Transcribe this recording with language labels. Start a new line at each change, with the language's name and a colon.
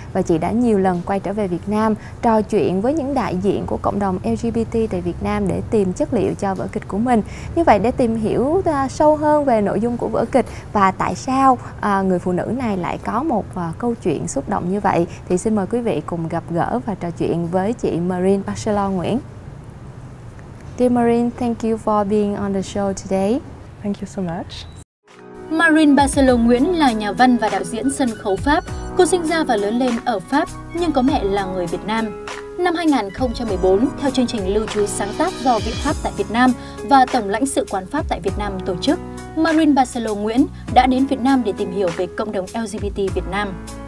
Vietnamese: Và chị đã nhiều lần quay trở về Việt Nam trò chuyện với những đại diện của cộng đồng LGBT tại Việt Nam để tìm chất liệu cho vở kịch của mình. Như vậy, để tìm hiểu sâu hơn về nội dung của vở kịch và tại sao người phụ nữ này lại có một câu chuyện xúc động như vậy, thì xin mời quý vị cùng gặp gỡ và trò chuyện với chị Marine Bachelot Nguyễn.
English: Dear Marine, thank you for being on the show today. Thank you so much.
Vietnamese: Marine Bachelot Nguyễn là nhà văn và đạo diễn sân khấu Pháp. Cô sinh ra và lớn lên ở Pháp, nhưng có mẹ là người Việt Nam. Năm 2014, theo chương trình lưu trú sáng tác do Viện Pháp tại Việt Nam và Tổng lãnh sự quán Pháp tại Việt Nam tổ chức, Marine Bachelot Nguyễn đã đến Việt Nam để tìm hiểu về cộng đồng LGBT Việt Nam.